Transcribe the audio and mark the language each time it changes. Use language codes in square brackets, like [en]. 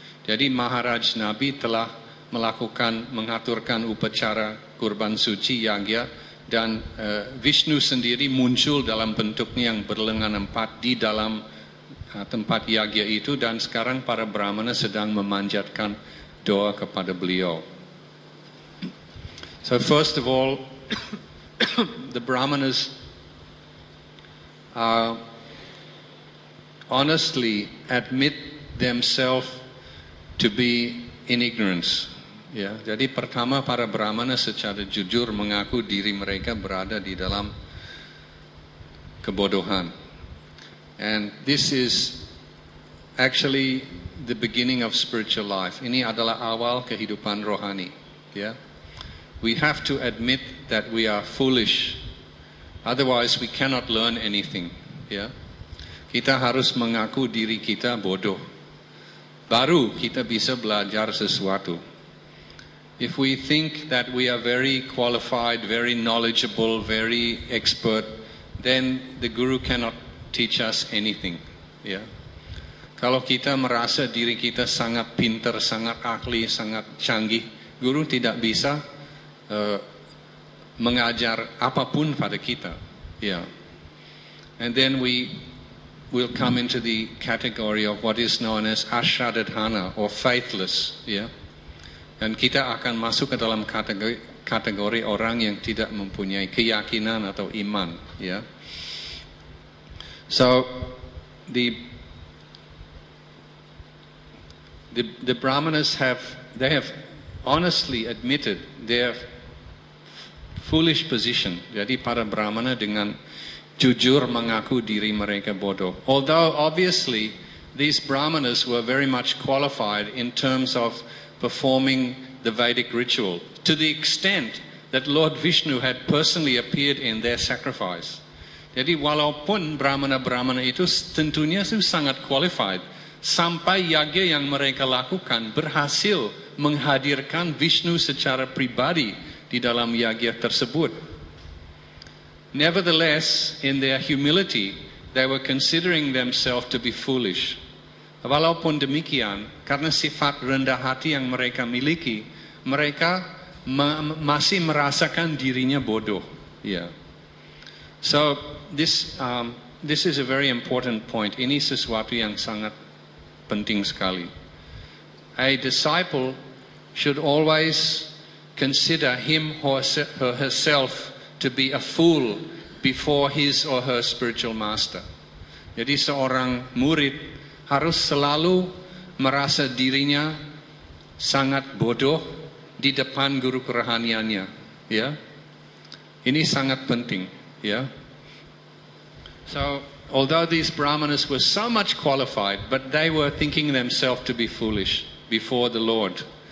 [id] Jadi Maharaj Nabi telah melakukan mengaturkan upacara kurban suci yagya, dan Vishnu sendiri muncul dalam bentuknya yang berlengan empat di dalam tempat yagya itu, dan sekarang para Brahmana sedang memanjatkan doa kepada beliau. [en] So first of all, the Brahmanas honestly admit themselves to be in ignorance. [id] Ya, jadi pertama para Brahmana secara jujur mengaku diri mereka berada di dalam kebodohan. [en] And this is actually the beginning of spiritual life. [id] Ini adalah awal kehidupan rohani. Ya. [en] We have to admit that we are foolish. Otherwise we cannot learn anything. [id] Ya. Kita harus mengaku diri kita bodoh. Baru kita bisa belajar sesuatu. [en] If we think that we are very qualified, very knowledgeable, very expert, then the guru cannot teach us anything. Yeah. [id] Kalau kita merasa diri kita sangat pintar, sangat ahli, sangat canggih, guru tidak bisa mengajar apapun pada kita. [en] Yeah. And then we will come into the category of what is known as ashradhana or faithless. Yeah. [id] Dan kita akan masuk ke dalam kategori orang yang tidak mempunyai keyakinan atau iman. Yeah. [en] So the Brahmanas have honestly admitted their foolish position. [id] Jadi para Brahmana dengan jujur mengaku diri mereka bodoh. [en] Although obviously these Brahmanas were very much qualified in terms of performing the Vedic ritual to the extent that Lord Vishnu had personally appeared in their sacrifice. [id] Jadi walaupun Brahmana-Brahmana itu tentunya itu sangat qualified, sampai yagya yang mereka lakukan berhasil menghadirkan Vishnu secara pribadi di dalam yagya tersebut. [en] Nevertheless, in their humility, they were considering themselves to be foolish. [id] Walaupun demikian, karena sifat rendah hati yang mereka miliki, mereka masih merasakan dirinya bodoh. Yeah. [en] So this is a very important point. [id] Ini sesuatu yang sangat penting sekali. [en] a disciple should always consider him or herself to be a fool before his or her spiritual master. [id] Jadi seorang murid harus selalu merasa dirinya sangat bodoh di depan guru kerohaniannya, ya. Ini sangat penting, ya. [en] So, although these brahmanas were so much qualified, but they were thinking themselves to be foolish before the Lord.